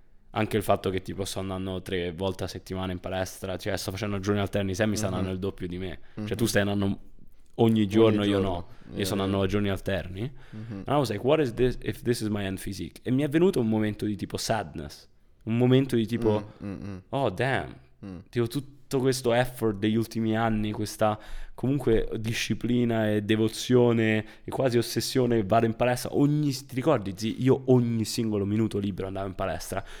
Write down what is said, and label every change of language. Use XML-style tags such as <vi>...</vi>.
<it>Anche il fatto che, tipo, sto andando 3 volte a settimana in palestra, cioè sto facendo giorni alterni, se mi sta andando il doppio di me. Cioè tu stai andando ogni giorno. Io sto andando a giorni alterni.</it> <en>And I was like, what is this if this is my end physique?</en> <it>E mi è venuto un momento di tipo</it> <en>sadness.</en> <it>Un momento di tipo,</it> <en>oh damn.</en> <it>Tipo tutto questo effort degli ultimi anni, questa comunque disciplina e devozione e quasi ossessione, vado in palestra ogni, ti ricordi, zii, io ogni singolo minuto libero andavo in palestra.</it>